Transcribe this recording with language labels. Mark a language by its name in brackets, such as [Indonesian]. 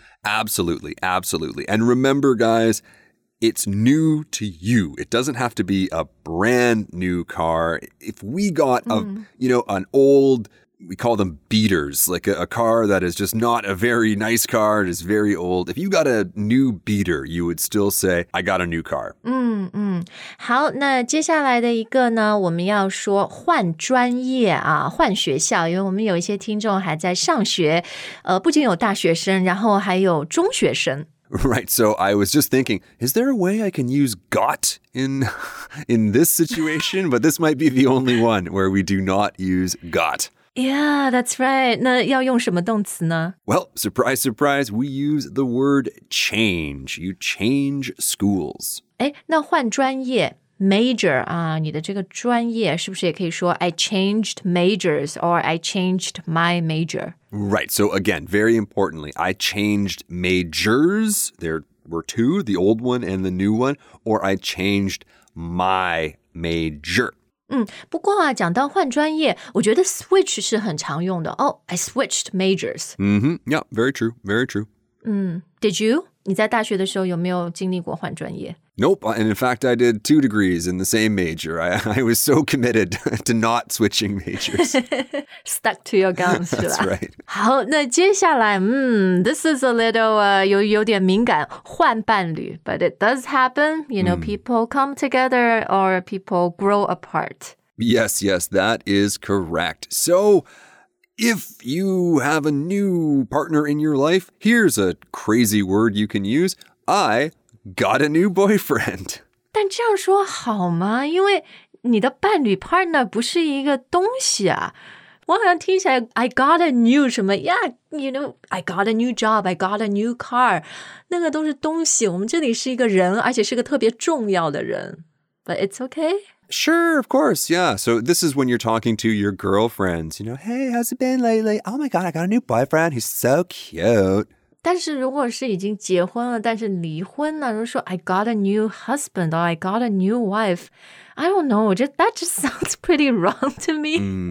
[English] Absolutely, absolutely. And remember, guys, it's new to you. It doesn't have to be a brand new car. If we got a,、you know, an old, we call them beaters, like a car that is just not a very nice car, it is very old. If you got a new beater, you would still say, I got a new car. [Chinese] 好，那接下来的一个呢，我们要说换专业啊，换学校，因为我们有一些听众还在上学，不仅有大学生，然后还有中学生。 [English] Right, so I was just thinking, is there a way I can use got in this situation? But this might be the only one where we do not use got. Yeah, that's right. [Chinese] 那要用什么动词呢? [English] Well, surprise, surprise, we use the word change. You change schools. [Chinese] 诶,那换专业, major, 你的这个专业是不是也可以说 [English] I changed majors or I changed my major? Right, so again, very importantly, I changed majors. There were two, the old one and the new one, or I changed my major. [Chinese] 不过啊，讲到换专业，我觉得 switch 是很常用的。 [English] Oh, I switched majors. Mm-hmm. Yeah, very true, very true. Did you? [Chinese] 你在大学的时候有没有经历过换专业？ [English] Nope, and in fact, I did 2 degrees in the same major. I was so committed to not switching majors. Stuck to your guns, [Chinese] 是吧？ [English] That's right. [Chinese] 好，那接下来， [English] this is a little, [Chinese] 有点敏感，换伴侣。 [English] But it does happen, you know, people come together or people grow apart. Yes, yes, that is correct. So... If you have a new partner in your life, here's a crazy word you can use. I got a new boyfriend. [Chinese] 但这样说好吗？因为你的伴侣 partner 不是一个东西啊。我好像听起来 [English] I got a new [Chinese] 什么 [English] Yeah, you know, I got a new job, I got a new car. [Chinese] 那个都是东西，我们这里是一个人，而且是个特别重要的人。 [English] But it's okay. Sure, of course, yeah. So this is when you're talking to your girlfriends, you know, hey, how's it been lately? Oh my God, I got a new boyfriend. He's so cute. [Chinese] 但是如果是已经结婚了但是离婚了如果说 [English] I got a new husband or I got a new wife, I don't know, that just sounds pretty wrong to me.